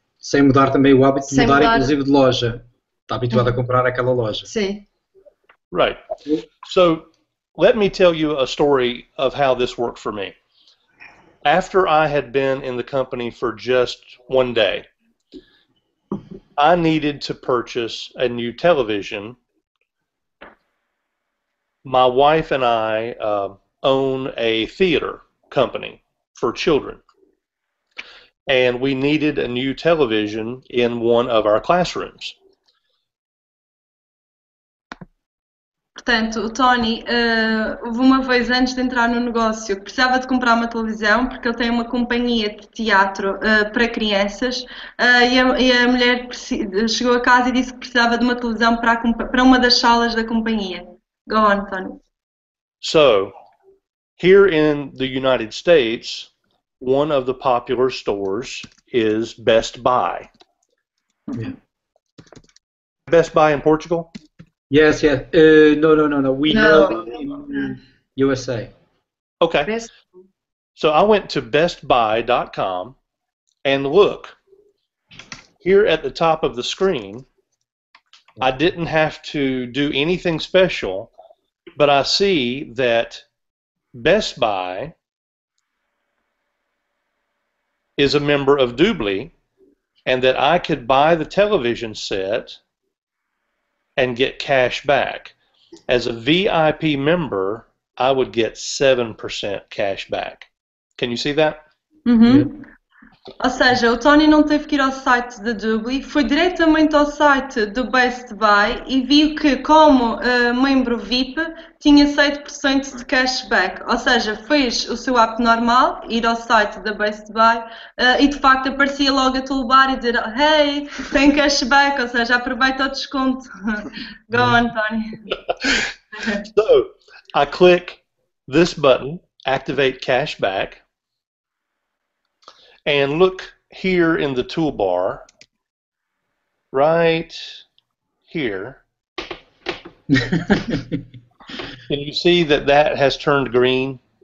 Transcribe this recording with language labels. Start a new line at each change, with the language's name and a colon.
Portuguese: Sem mudar também o hábito de mudar inclusive de loja. Está habituado a comprar aquela loja. Sim.
English: Right. So, let me tell you a story of how this worked for me. After I had been in the company for just one day, I needed to purchase a new television. My wife and I own a theater company for children. And we needed a new television in one of our classrooms.
Portuguese: Portanto, o Tony, houve uma vez antes de entrar no negócio, precisava de comprar uma televisão, porque ele tem uma companhia de teatro para crianças, e a mulher chegou a casa e disse que precisava de uma televisão para uma das salas da companhia.
English: Go on, Tony. So, here in the United States, one of the popular stores is Best Buy. Yeah. Best Buy in Portugal? Yes, yes. No. We know. USA. Okay. So I went to bestbuy.com and look, here at the top of the screen, I didn't have to do anything special, but I see that Best Buy is a member of Doobly and that I could buy the television set and get cash back. As a VIP member, I would get 7% cash back. Can you see that? Uhum. Yeah.
Portuguese: Ou seja, o Tony não teve que ir ao site da Doobly, foi diretamente ao site do Best Buy e viu que, como membro VIP, tinha 7% de cash back. Ou seja, fez o seu app normal, ir ao site da Best Buy, e de facto aparecia logo a toolbar e dizer, hey, tem cash back, ou seja, aproveita o desconto.
English: Go on, Tony. So, I click this button, activate cash back, and look here in the toolbar, right here. Can you see that has turned green?